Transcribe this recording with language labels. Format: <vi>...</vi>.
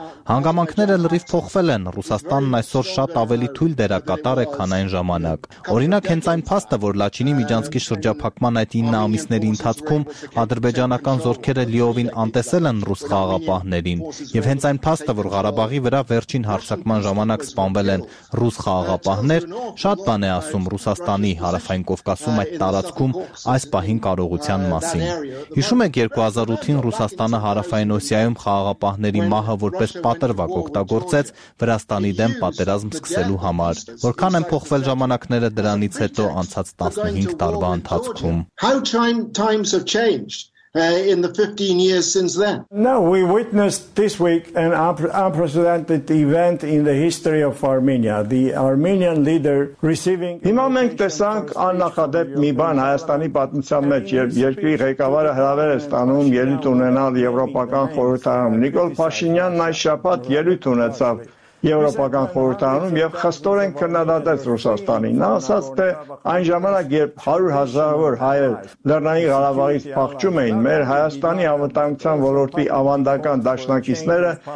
<hy>Հանգամանքները լրիվ փոխվել են, Ռուսաստանն այսօր շատ ավելի թույլ դերակատար է, քան այն ժամանակ։ Օրինակ, հենց այն փաստը, որ Լաչինի միջանցքի շրջափակման այդ 9 ամիսների ընթացքում ադրբեջանական զորքերը լիովին անտեսել են ռուս խաղապահներին, եւ հենց այն փաստը, որ Ղարաբաղի վրա վերջին հարձակման ժամանակ սպանվել են ռուս խաղապահներ, շատ բան է ասում Ռուսաստանի հարավային Կովկասում այդ տարածքում այս պահին կարողության մասին։ Հիշում եք 2008-ին Ռուսաստանը հարավային Օսիայում խաղապահների մահը որպես պատրվակ օգտագործեց Վրաստանի դեմ պատերազմ սկսելու համար։ Որքան են փոխվել ժամանակները դրանից հետո անցած 15 տարվա ընթացքում։</hy> <en>How times have changed in the 15 years since then. No, we witnessed this week an unprecedented event in the history of Armenia. The Armenian leader receiving</en> <hy>Հիմա մենք տեսանք աննախադեպ մի բան Հայաստանի պատմության մեջ, երբ երկրի ղեկավարը հրավեր է ստանում ելույթ ունենալ Եվրոպական խորհրդարանում։ Նիկոլ Փաշինյանն այս շաբաթ ելույթ ունեցավ Եվրոպական խորհրդարանում եւ խստորեն քննադատեց Ռուսաստանին։ Նա ասաց, թե այն ժամանակ, երբ 100 հազարավոր հայեր Լեռնային Ղարաբաղից փախչում էին, մեր Հայաստանի ավտանգության ոլորտի ավանդական դաշնակիցները</hy>